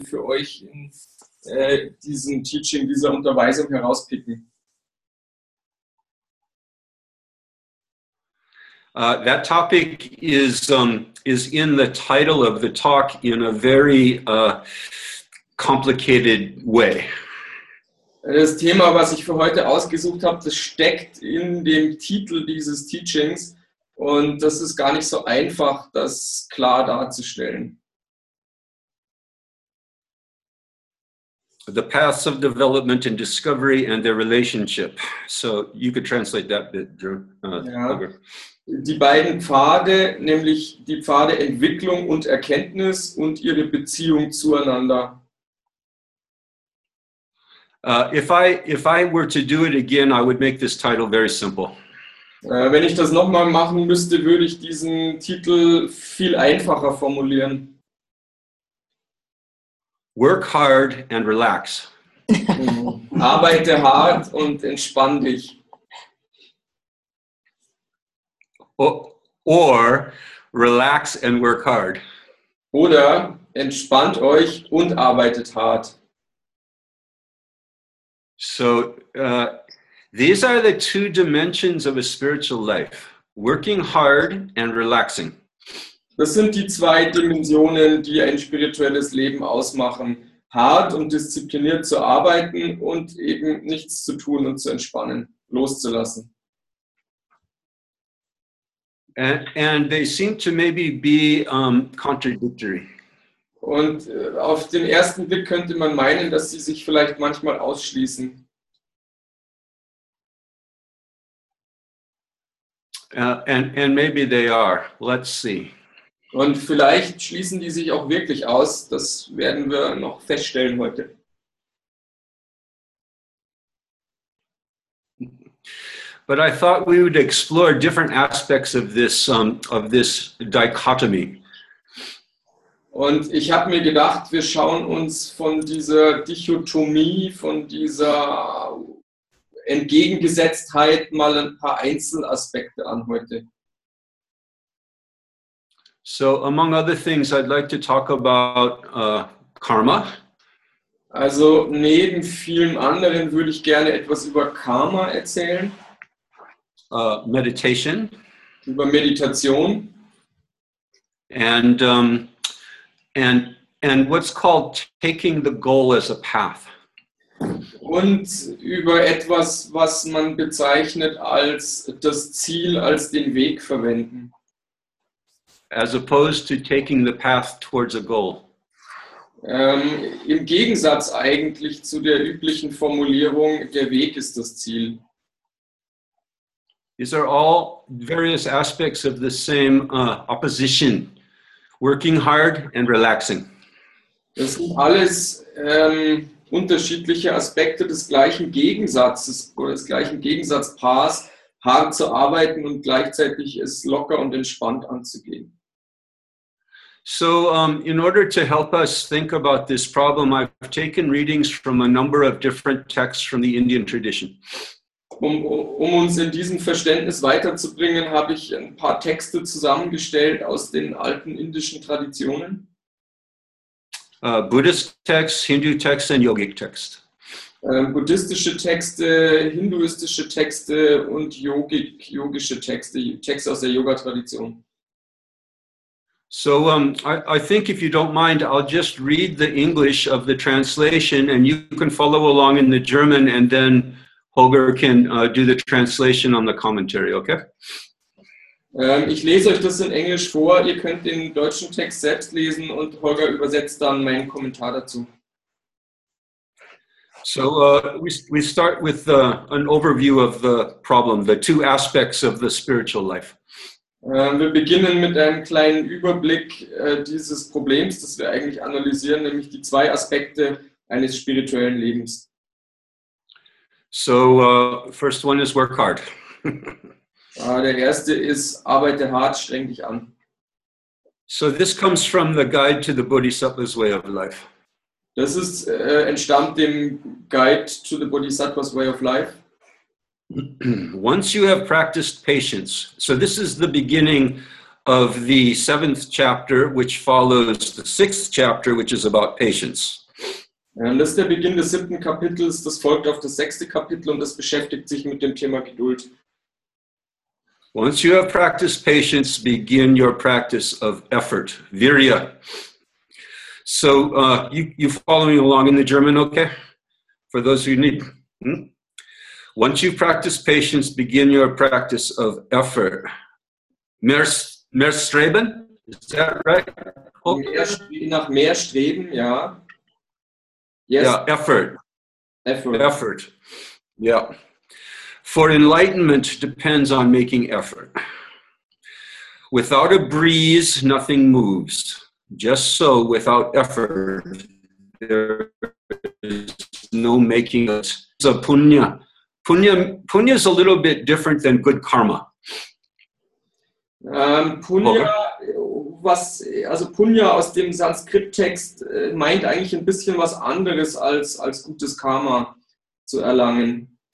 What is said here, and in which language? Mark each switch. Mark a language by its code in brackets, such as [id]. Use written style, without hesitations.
[de] für euch in diesem Teaching, dieser Unterweisung herauspicken? [en] That topic is in the title of the talk in a very complicated way. [de] Das Thema, was ich für heute ausgesucht habe, das steckt in dem Titel dieses Teachings und das ist gar nicht so einfach, das klar darzustellen. [en] The paths of development and discovery and their relationship. So you could translate that bit, Drew. [de] Die beiden Pfade, nämlich die Pfade Entwicklung und Erkenntnis und ihre Beziehung zueinander. [en] If I were to do it again, I would make this title very simple. [de] Wenn ich das nochmal machen müsste, würde ich diesen Titel viel einfacher formulieren. [en] Work hard and relax. [de] Arbeite hart und entspann dich. [en] Or relax and work hard. [de] Oder entspannt euch und arbeitet hart. [en] So, these are the two dimensions of a spiritual life. Working hard and relaxing. [de] Das sind die zwei Dimensionen, die ein spirituelles Leben ausmachen. Hart und diszipliniert zu arbeiten und eben nichts zu tun und zu entspannen, loszulassen. [en] And they seem to maybe be contradictory. [de] Und auf den ersten Blick könnte man meinen, dass sie sich vielleicht manchmal ausschließen. [en] And maybe they are. Let's see. [de] Und vielleicht schließen die sich auch wirklich aus. Das werden wir noch feststellen heute. [en] But I thought we would explore different aspects of this dichotomy. [de] Und ich habe mir gedacht, wir schauen uns von dieser Dichotomie, von dieser Entgegengesetztheit mal ein paar Einzelaspekte an heute. [en] So, among other things, I'd like to talk about Karma. [de] Also, neben vielem anderen würde ich gerne etwas über Karma erzählen. [en] Meditation. [de] Über Meditation. [en] And what's called taking the goal as a path. [de] Und über etwas, was man bezeichnet als das Ziel, als den Weg verwenden. [en] As opposed to taking the path towards a goal. [de] Im Gegensatz eigentlich zu der üblichen Formulierung, der Weg ist das Ziel. [en] These are all various aspects of the same opposition. Working hard and relaxing. [de] Das sind alles unterschiedliche Aspekte des gleichen Gegensatzes oder des gleichen Gegensatzpaars, hart zu arbeiten und gleichzeitig es locker und entspannt anzugehen. [en] So, in order to help us think about this problem, I've taken readings from a number of different texts from the Indian tradition. [de] Um uns in diesem Verständnis weiterzubringen, habe ich ein paar Texte zusammengestellt aus den alten indischen Traditionen. [en] Buddhist texts, Hindu texts and yogic texts. [de] Buddhistische Texte, hinduistische Texte und yogische Texte, Texte aus der Yoga-Tradition. [en] So I think if you don't mind, I'll just read the English of the translation and you can follow along in the German and then Holger can do the translation on the commentary, okay? [de] Ich lese euch das in Englisch vor. Ihr könnt den deutschen Text selbst lesen und Holger übersetzt dann meinen Kommentar dazu. [en] So we start with an overview of the problem, the two aspects of the spiritual life. [de] Wir beginnen mit einem kleinen Überblick dieses Problems, das wir eigentlich analysieren, nämlich die zwei Aspekte eines spirituellen Lebens. [en] So, first one is work hard. [de] Der erste ist, arbeite hart, streng dich an. [en] So this comes from the Guide to the Bodhisattva's Way of Life. [de] Das ist entstammt dem Guide to the Bodhisattva's Way of Life. [en] Once you have practiced patience, so this is the beginning of the seventh chapter, which follows the sixth chapter, which is about patience. [de] Und das ist der Beginn des siebten Kapitels, das folgt auf das sechste Kapitel und das beschäftigt sich mit dem Thema Geduld. [en] Once you have practiced patience, begin your practice of effort, virya. So, you following along in the German, okay? For those who need. Once you practice patience, begin your practice of effort. [de] Mehr streben, [en] is that right? [de] Okay. Nach mehr streben, ja. [en] Yes. Yeah, effort. Effort. Effort. Yeah. For enlightenment depends on making effort. Without a breeze, nothing moves. Just so, without effort, there is no making it. It's a punya. Punya is a little bit different than good karma. [de] Punya, was, also Punya aus dem Sanskrit-Text meint eigentlich ein bisschen was anderes als gutes Karma zu erlangen.